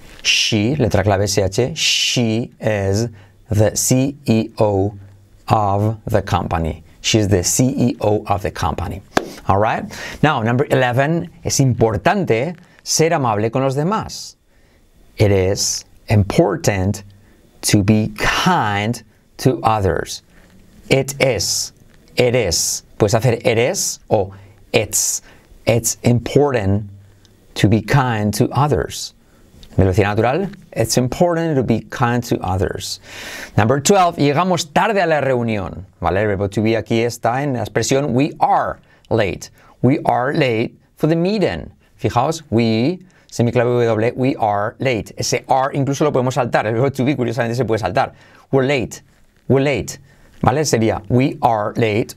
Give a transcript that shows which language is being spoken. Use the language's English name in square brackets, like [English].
[English] She, [Spanish] letra clave [English] SH, she is the CEO of the company. She is the CEO of the company. All right. Now, number 11, [Spanish] es importante ser amable con los demás. [English] It is important to be kind to others. It is, [Spanish] puedes hacer [English] it is o it's. It's important to be kind to others. [Spanish] Velocidad natural, [English] it's important to be kind to others. Number 12, [Spanish] llegamos tarde a la reunión. Vale, el verbo to be aquí está en la expresión [English] we are late. We are late for the meeting. [Spanish] Fijaos, [English] we, [Spanish] semiclave [English] W, we are late. [Spanish] Ese are incluso lo podemos saltar. El verbo to be, curiosamente, se puede saltar. [English] We're late. We're late. ¿Vale? [Spanish] Sería [English] we are late.